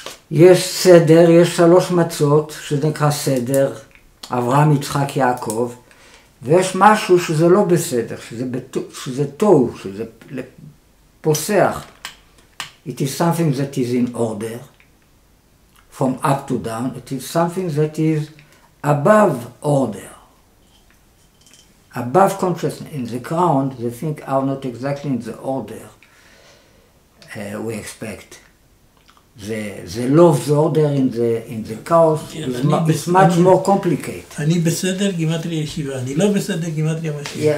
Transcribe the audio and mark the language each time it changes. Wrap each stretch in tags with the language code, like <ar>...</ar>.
<he>יש סדר, יש שלוש מצות, שזה נקרא סדר, אברהם, יצחק, יעקב, ויש משהו שזה לא בסדר, שזה טוב, שזה פוסח.</he> <en>It is something that is in order from up to down. It is something that is above order, above consciousness. In the ground, the things are not exactly in the order we expect. The law of the order in the chaos is much more complicated.</en> <he>אני בסדר גימטריה ישיבה, אני לא בסדר גימטריה משיבה.</he>